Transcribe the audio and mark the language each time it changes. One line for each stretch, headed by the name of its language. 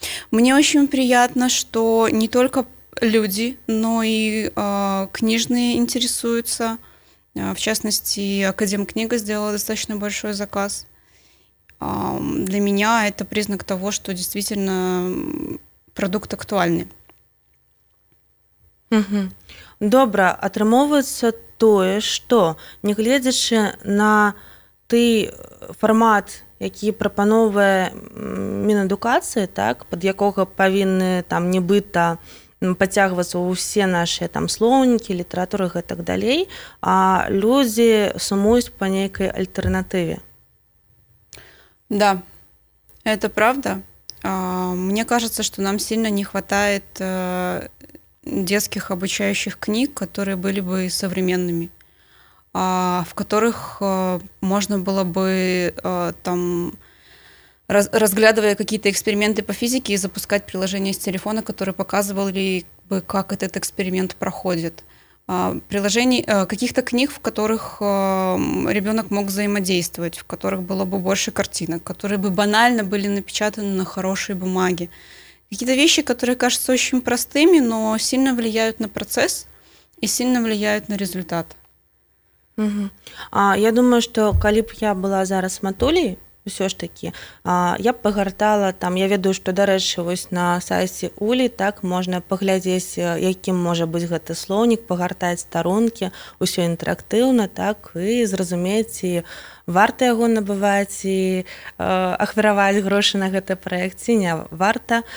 Russian: Мне очень приятно, что не только люди, но и книжные интересуются. В частности, Академкнига сделала достаточно большой заказ. Для меня это признак того, что действительно продукт актуальный. Угу.
Belarusian: Добра, атрымоўваецца тое, што, нягледзячы на той фармат, які прапаноўвае Мінадукацыя, так, пад якога павінны там нібыта пацягвацца ўсе нашыя там слоўнікі, літаратуры гэтак далей, а людзі сумуюць па нейкай альтэрнатыве.
Russian: Да. Это правда. Мне кажется, что нам сильно не хватает детских обучающих книг, которые были бы современными, в которых можно было бы, там, разглядывая какие-то эксперименты по физике, запускать приложение с телефона, которое показывало бы, как этот эксперимент проходит. Приложений, каких-то книг, в которых ребенок мог взаимодействовать, в которых было бы больше картинок, которые бы банально были напечатаны на хорошей бумаге. Какие-то вещи, которые кажутся очень простыми, но сильно влияют на процесс и сильно влияют на результат. Угу.
Belarusian: Я думаю, что калі б я была зараз матулей, все ж таки, я б пагартала там, я ведаю, что дарэчы вось на сайте Улі, так, можна паглядзець, якім можа быць гэты слоўнік, пагартаць старонкі, усё інтэрактыўна, так, і зразумець, варта яго набываць і ахвяраваць грошы на гэты праект, ці не варта.